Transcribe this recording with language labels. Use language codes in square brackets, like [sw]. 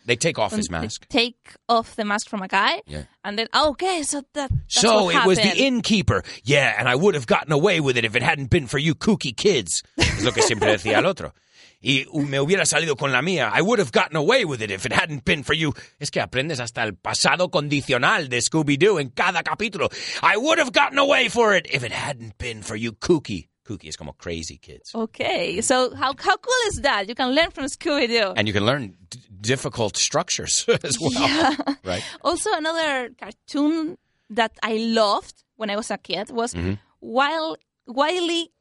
[en] They take off his mask. They take off the mask from a guy. Yeah. And then, okay, so that's so what it was the innkeeper. Yeah, and I would have gotten away with it if it hadn't been for you kooky kids. [es] Es lo que siempre decía el otro. Y me hubiera salido con la mía. [en] I would have gotten away with it if it hadn't been for you. [es] Es que aprendes hasta el pasado condicional de Scooby-Doo en cada capítulo. [en] I would have gotten away for it if it hadn't been for you kooky. Kooky is [es] como [en] crazy kids. Okay, so how cool is that? You can learn from Scooby-Doo. And you can learn difficult structures as well. Yeah. Right. Also, another cartoon that I loved when I was a kid was Wile E.